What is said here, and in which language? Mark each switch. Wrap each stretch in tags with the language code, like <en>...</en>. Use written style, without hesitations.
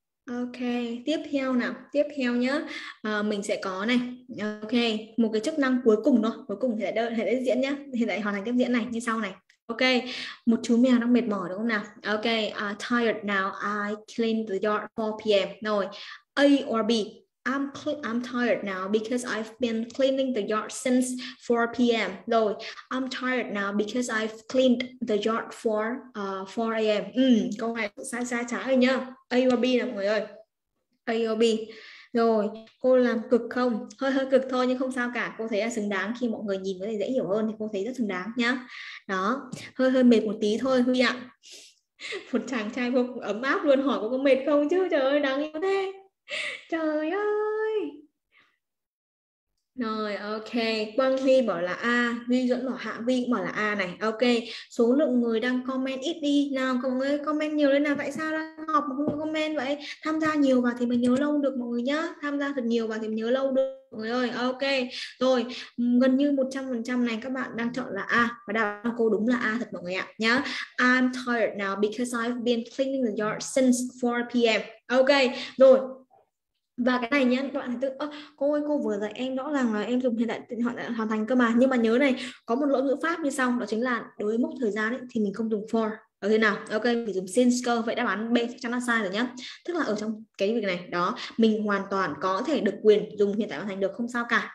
<vi>Ok, tiếp theo nào, tiếp theo nhé, mình sẽ có này, ok, một cái chức năng cuối cùng thôi, cuối cùng thì lại đơn, để diễn nhé, hiện tại hoàn thành tiếp diễn này, như sau này, ok, một chú mèo đang mệt mỏi đúng không nào, ok,</vi> <en>tired now, I clean the yard 4 p.m. rồi, A or B, I'm tired now because I've been cleaning the yard since 4 p.m. rồi, I'm tired now because I've cleaned the yard for 4 a.m.</en> <vi>Câu này sai sai trái rồi nhá.</vi> <en>A or B</en> <vi>nào mọi người ơi. A or B. Rồi, cô làm cực không? Hơi hơi cực thôi nhưng không sao cả. Cô thấy là xứng đáng khi mọi người nhìn có thể dễ hiểu hơn thì cô thấy rất xứng đáng nhá. Đó, hơi hơi mệt một tí thôi Huy ạ. Một chàng trai vô cùng ấm áp luôn hỏi cô có mệt không chứ. Trời ơi, đáng yêu thế. Trời ơi. Rồi, ok. Quang Huy bảo là A, Huy Dẫn bảo Hạ Vi cũng bảo là A này. Ok, số lượng người đang comment ít đi. Nào, mọi người comment nhiều lên nào. Tại sao đang họp mà không comment vậy? Tham gia nhiều vào thì mình nhớ lâu được mọi người nhá. Tham gia thật nhiều vào thì mình nhớ lâu được mọi người ơi. Ok, rồi. Gần như 100% này các bạn đang chọn là A. Và đáp án cô đúng là A thật mọi người ạ. Nhá.</vi> <en>I'm tired now because I've been cleaning the yard since 4 p.m. Ok, rồi.</en> <vi>Và cái này nhá, các bạn tự cô ơi cô vừa dạy em rõ ràng là em dùng hiện tại họ đã hoàn thành cơ mà, nhưng mà nhớ này, có một lỗi ngữ pháp như sau, đó chính là đối với mốc thời gian ấy, thì mình không dùng for. Ở thế nào? Ok, mình dùng since cơ, vậy đáp án B chắc chắn là sai rồi nhá. Tức là ở trong cái việc này, đó, mình hoàn toàn có thể được quyền dùng hiện tại hoàn thành được không sao cả.</vi>